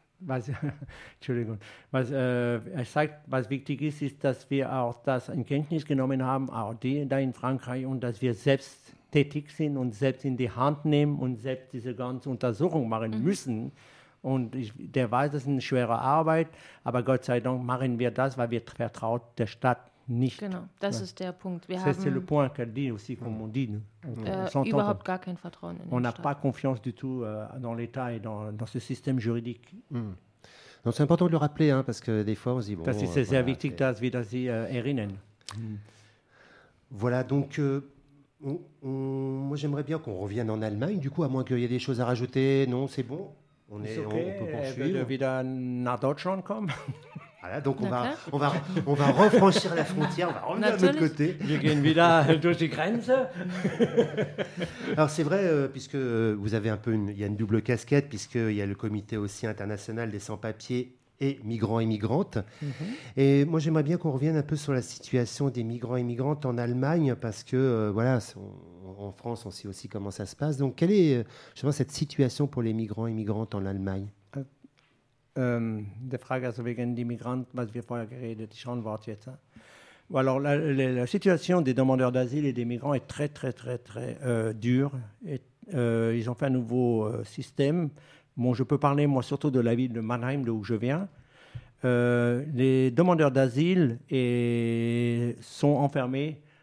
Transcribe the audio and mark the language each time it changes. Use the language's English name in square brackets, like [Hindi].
[German] Er sagt, was wichtig ist, ist, dass wir auch das in Kenntnis genommen haben, auch die da in Frankreich, und dass wir selbst tätig sind und selbst in die Hand nehmen und selbst diese ganze Untersuchung machen müssen. Und der weiß, das ist eine schwere Arbeit, aber Gott sei Dank machen wir das, weil wir vertraut der Stadt nicht. Genau, das ist der Punkt. [French] C'est le point qu'elle dit aussi, comme on dit. [German] Überhaupt gar kein Vertrauen in den Staat. [French] On n'a pas confiance du tout dans l'État et dans ce système juridique. Donc c'est important de le rappeler, hein, parce que des fois on se dit... [German] Das ist sehr voilà, wichtig, dass wir das hier erinnern. [French] Voilà, donc moi j'aimerais bien qu'on revienne en Allemagne, du coup, à moins qu'il y ait des choses à rajouter. Non, c'est bon, on peut poursuivre. Est-ce que vous voulez venir à [German] Deutschland kommen? [French] Voilà, donc on va refranchir la frontière, on va revenir de l'autre côté. [German] Wir gehen wieder durch die Grenze. [French] Alors c'est vrai, puisque vous avez un peu une double casquette, puisqu'il y a le comité aussi international des sans-papiers et migrants et migrantes. Mm-hmm. Et moi j'aimerais bien qu'on revienne un peu sur la situation des migrants et migrantes en Allemagne, parce que voilà, en France on sait aussi comment ça se passe. Donc quelle est justement cette situation pour les migrants et migrantes en Allemagne? [German] Die Frage also wegen die Migranten, was wir vorher geredet, ich antworte jetzt. [French] Alors la situation des demandeurs d'asile et des migrants est très très très très dure. Et, ils ont fait un nouveau système. Bon, je peux parler moi surtout de la ville de Mannheim, d'où je viens. Les demandeurs d'asile sont enfermés.